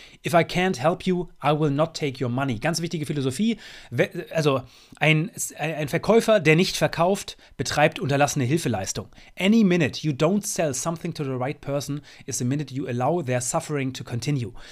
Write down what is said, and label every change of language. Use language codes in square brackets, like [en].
[en] If I can't help you, I will not take your money. [de] Ganz wichtige Philosophie. Also ein Verkäufer, der nicht verkauft, betreibt unterlassene Hilfeleistung. [en] Any minute you don't sell something to the right person is the minute you allow their suffering to continue.